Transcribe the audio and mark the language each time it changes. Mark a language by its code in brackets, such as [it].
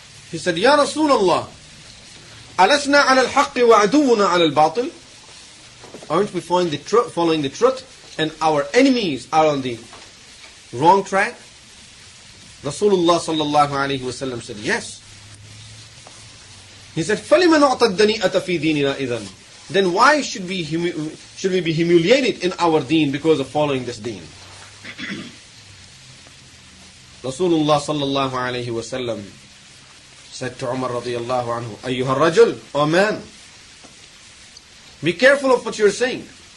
[en] He said, [ar] "Ya Rasulullah, alasna ala al-haqq wa aduwuna ala al-batil? [en] Aren't we following the truth and our enemies are on the wrong track?" Rasulullah sallallahu alayhi wa sallam said, "Yes." He said, [ar] "فَلِمَ نُعْتَ الدَّنِيَةَ فِي دِينِنَا إِذَنْ?" [en] Then why should we be humiliated in our deen because of following this deen? Rasulullah sallallahu alayhi wa sallam said to Umar radiallahu anhu, [ar] "أَيُّهَا الرَّجُلْ, [en] O man, be careful of what you're saying.